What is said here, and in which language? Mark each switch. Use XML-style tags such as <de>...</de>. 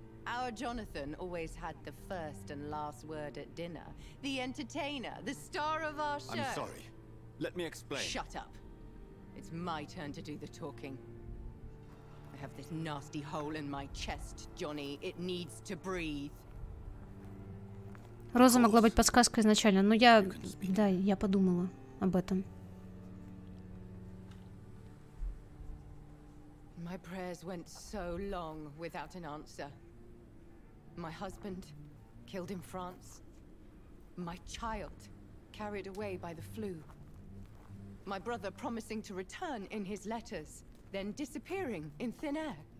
<en>Our Jonathan always had the first and last word at dinner. The entertainer, the star of our show. I'm sorry. Let me explain. Shut up. It's my turn to do the talking. I have this nasty hole in my chest, Johnny. It needs to breathe.</en> <ru>Роза могла быть подсказкой изначально, но я подумала об этом.</ru> <en>My prayers went so long without an answer. My husband killed in France. My child carried away by the flu. My brother promising to return in his letters, then disappearing in thin air.</en>